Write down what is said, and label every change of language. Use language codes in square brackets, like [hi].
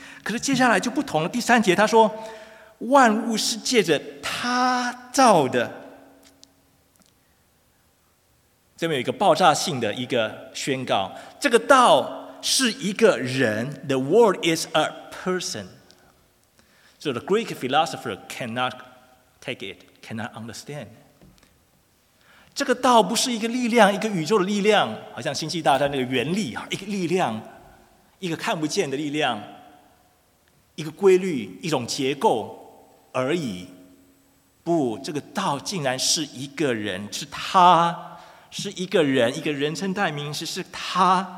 [zh] 可是接下来就不同了，第三节他说万物是借着他造的。这边有一个爆炸性的一个宣告，这个道是一个人， [en] The world is a person. So the Greek philosopher cannot take it, cannot understand. [zh] 这个道不是一个力量，一个宇宙的力量，好像星际大战那个原力，一个力量，一个看不见的力量，一个规律，一种结构而已。不，这个道竟然是一个人，是他，是一个人，一个人称代名词，是他。